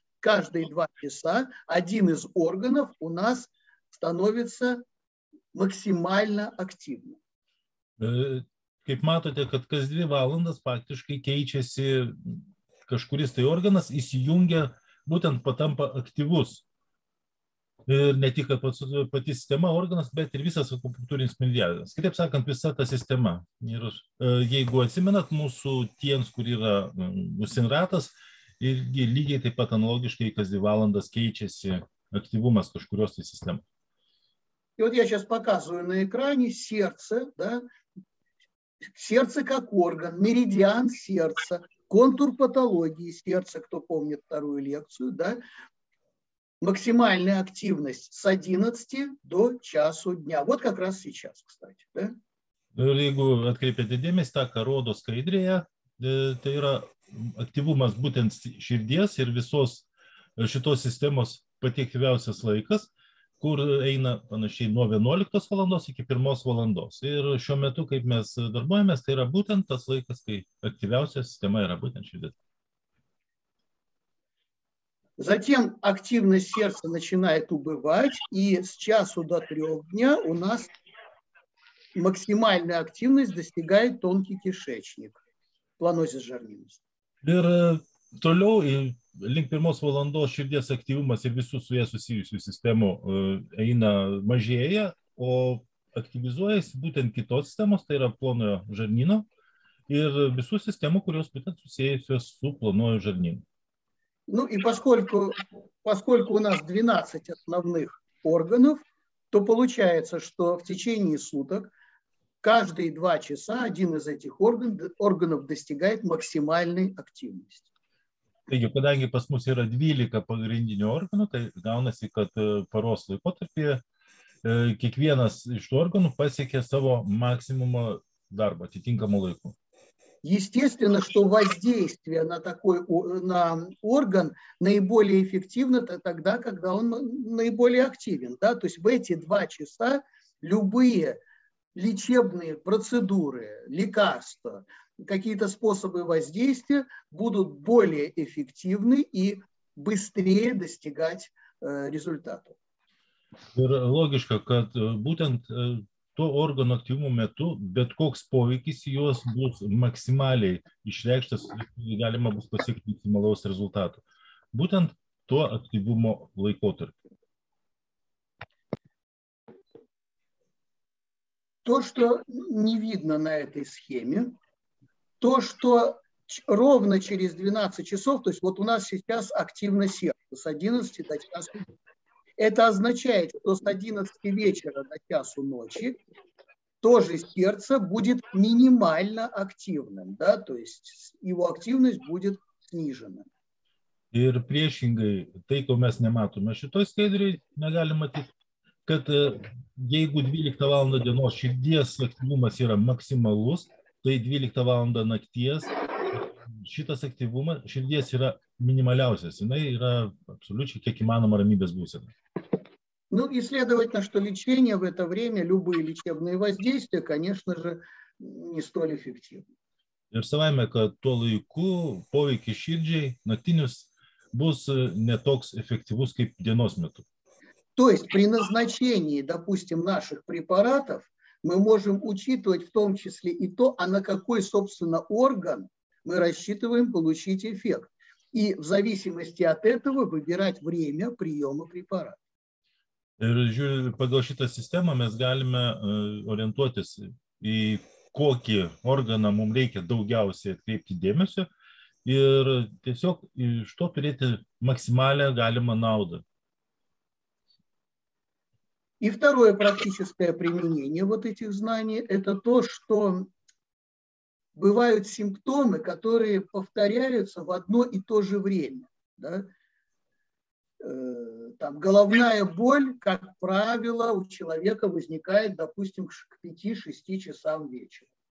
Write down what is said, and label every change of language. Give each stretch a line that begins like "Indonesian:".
Russian: Каждые два часа один из органов у нас становится максимально активным.
Lithuanian: Kaip matote, kad kas dvi valandas faktiškai keičiasi kažkuris tai organas, įsijungia, būtent patampa aktyvus. Ir ne tik pati sistema organas, bet ir visas akupunktūrinis meridianas. Kitaip sakant, visa ta sistema. Ir jeigu atsimenat mūsų tiems, kur yra usinratas, irgi lygiai taip pat analogiškai kas dvi valandas keičiasi aktyvumas kažkurios tai sistemos.
Russian: И вот я сейчас показываю на экране сердце, да, сердце как орган, меридиан сердца, контур патологии сердца, кто помнит вторую лекцию, да, максимальная активность с 11 до часу дня, вот как раз сейчас, кстати, да.
Lithuanian: Jeigu atkreipėte dėmesį, tą ką rodo skaidrėje, tai yra aktyvumas būtent širdies ir visos šitos sistemos pati aktyviausias laikas, kur eina panašiai nuo 11 valandos iki 1 valandos. Ir šiuo metu, kaip mes darbuojamės, tai yra būtent tas laikas, kai aktyviausia sistema yra būtent širdis.
Russian: Затем активность сердца начинает убывать, и с часу до 3 дня у нас максимальная активность достигает тонкий кишечник, планозис жарнинус.
Lithuanian: Ir toliau į link pirmos valandos širdies aktyvumas ir visų su jie susijusių sistemų eina mažėja, o aktyvizuojasi būtent kitos sistemos, tai yra plonojo žarnyno ir visų sistemų, kurios būtent susijusios su plonojo žarnynu.
Russian: Ну, и поскольку у нас 12 основных органов, то получается, что в течение суток каждые 2 часа один из этих органов достигает максимальной активности.
Lithuanian: Taigi, kadangi pas mus yra 12 pagrindinių organų, tai gaunasi, kad paros laikotarpyje kiekvienas iš tų organų pasiekė savo maksimumą darbą atitinkamų laikų.
Russian: Естественно, что воздействие на такой на орган наиболее эффективно тогда, когда он наиболее активен. Да? То есть в эти 2 часа любые лечебные процедуры, лекарства, какие-то способы воздействия будут более эффективны и быстрее достигать результата.
Lithuanian: Ir logiška, kad būtent to organo aktyvumo metu, bet koks poveikis jos bus maksimaliai išreikštas, galima bus pasiekti maksimalaus rezultato. Būtent to aktyvumo laikotarpiu.
Russian: То, что не видно на этой схеме, то, что ровно через 12 часов, то есть вот у нас сейчас активно сердце с 11 до 12. Это означает, что с 11 вечера до часу ночи тоже сердце будет минимально активным, да, то есть его активность будет снижена.
Lithuanian: Ir priešingai, tai, ko mes nematome šitoj skaidriai, negalim matyti, kad jeigu 12 valandą dienos širdies aktyvumas yra maksimalus, tai 12 valandą nakties šitas aktyvumas širdies yra minimaliausias. Jis yra absoliučiai kiek įmanoma ramybės būsena.
Russian: Ну, и следовательно, что лечение в это время, любые лечебные воздействия, конечно же, не столь эффективны.
Lithuanian: Ir savaime, kad tuo laiku poveikį širdžiai naktinius bus
Russian: не
Lithuanian: toks эффективus, kaip dienos metu.
Russian: То есть при назначении, допустим, наших препаратов мы можем учитывать в том числе и то, а на какой, собственно, орган мы рассчитываем получить эффект. И в зависимости от этого выбирать время приема препарата.
Lithuanian: Ir pagal šitą sistemą mes galime orientuotis į kokį organą mums reikia daugiausiai atkreipti dėmesio ir tiesiog iš to turėti maksimalią galimą naudą.
Russian: И второе практическое применение вот этих знаний – это то, что бывают симптомы, которые повторяются в одно и то же время, да? Там головная боль, как правило, у человека возникает, допустим, к 5-6 часам вечера.